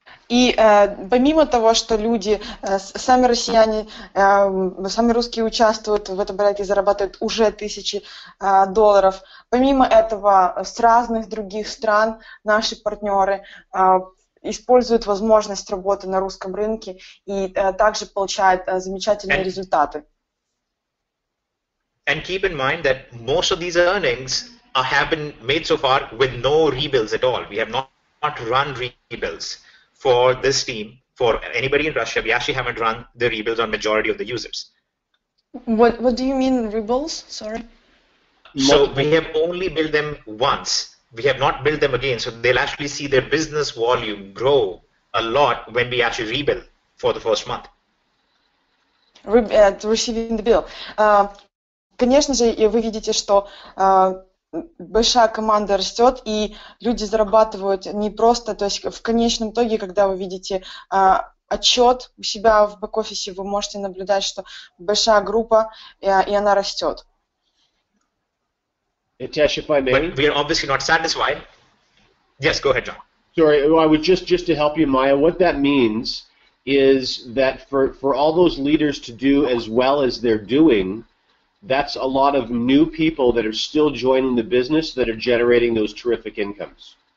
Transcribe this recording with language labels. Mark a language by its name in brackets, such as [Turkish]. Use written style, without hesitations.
[Russian] И помимо того, что люди, сами россияне, сами русские участвуют в этом проекте и зарабатывают уже тысячи долларов, помимо этого, с разных других стран наши партнеры используют возможность работы на русском рынке и также получают замечательные результаты. [English] And keep in mind that most of these earnings have been made so far with no rebuilds at all. We have not run rebuilds for this team, for anybody in Russia. We actually haven't run the rebuilds on majority of the users. What do you mean rebuilds? Sorry. So we have only billed them once. We have not billed them again. So they'll actually see their business volume grow a lot when we actually rebuild for the first month. Receiving the bill. [Russian] Конечно же, вы видите, что большая команда растет, и люди зарабатывают не просто, то есть в конечном итоге, когда вы видите отчет у себя в бэк-офисе, вы можете наблюдать, что большая группа, и она растет. [English] Itesh, if I may. But we are obviously not satisfied. Yes, go ahead, John. Sorry, I would just to help you, Maya, what that means is that for all those leaders to do as well as they're doing, that's a lot of new people that are still joining the business that are generating those terrific incomes.